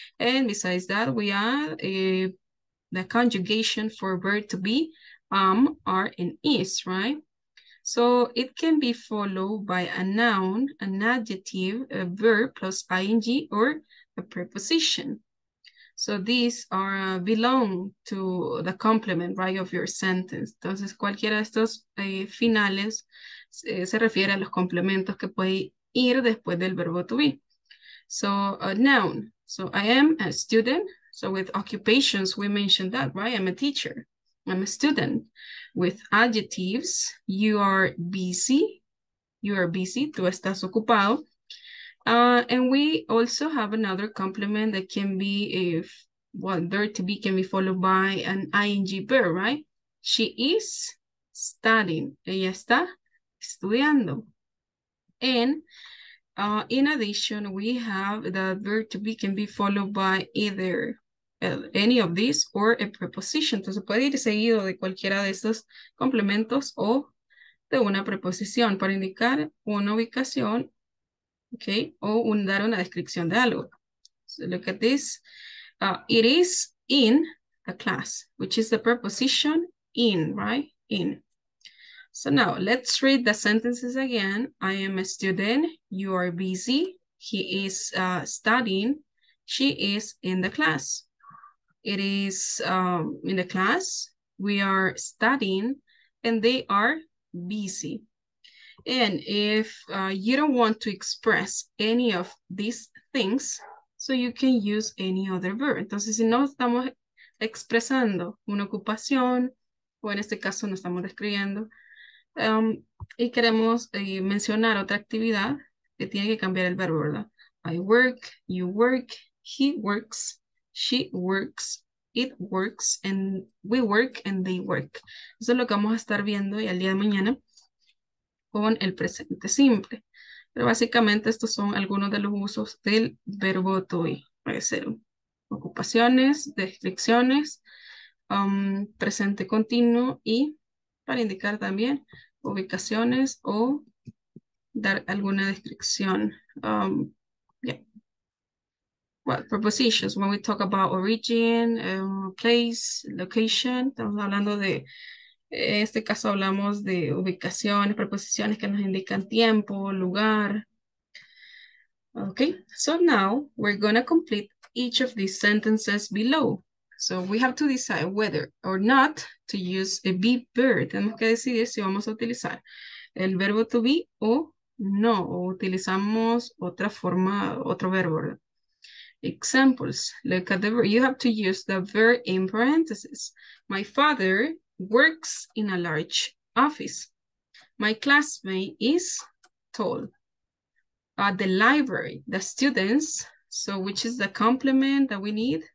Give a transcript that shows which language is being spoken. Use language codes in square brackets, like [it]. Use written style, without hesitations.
[en] And besides that, we have the conjugation for verb to be, are, and is, right? So it can be followed by a noun, an adjective, a verb plus ing, or a preposition. So these are belong to the complement, right, of your sentence. [es] Entonces, cualquiera de estos finales se refiere a los complementos que puede ir después del verbo to be. [en] So a noun. So I am a student. So with occupations, we mentioned that, right? I'm a teacher, I'm a student. With adjectives, you are busy. You are busy, [es] tú estás ocupado. [en] And we also have another complement that can be, verb to be can be followed by an ing verb, right? She is studying, [es] ella está estudiando. [en] And in addition, we have the verb to be can be followed by either any of these or a preposition. [es] Entonces puede ir seguido de cualquiera de esos complementos o de una preposición para indicar una ubicación, okay, o un, dar una descripción de algo. [en] So look at this. It is in a class, which is the preposition in, right? In. So now let's read the sentences again. I am a student. You are busy. He is studying. She is in the class. It is in the class, we are studying, and they are busy. And if you don't want to express any of these things, so you can use any other verb. [es] Entonces, si no estamos expresando una ocupación, o en este caso no estamos describiendo, y queremos mencionar otra actividad, que tiene que cambiar el verbo, ¿verdad? [en] I work, you work, he works, she works, it works, and we work, and they work. [es] Eso es lo que vamos a estar viendo y al día de mañana con el presente simple. Pero básicamente estos son algunos de los usos del verbo to be. Puede ser ocupaciones, descripciones, presente continuo y para indicar también ubicaciones o dar alguna descripción. [en] Well, prepositions, when we talk about origin, place, location, [es] estamos hablando de, en este caso hablamos de ubicaciones, preposiciones que nos indican tiempo, lugar. [en] Okay, so now we're gonna complete each of these sentences below. So we have to decide whether or not to use a be verb. [es] Tenemos que decidir si vamos a utilizar el verbo to be o no, o utilizamos otra forma, otro verbo. [en] Examples, look at the verb. You have to use the verb in parentheses. My father works in a large office. My classmate is tall. At the library, the students, so which is the complement that we need?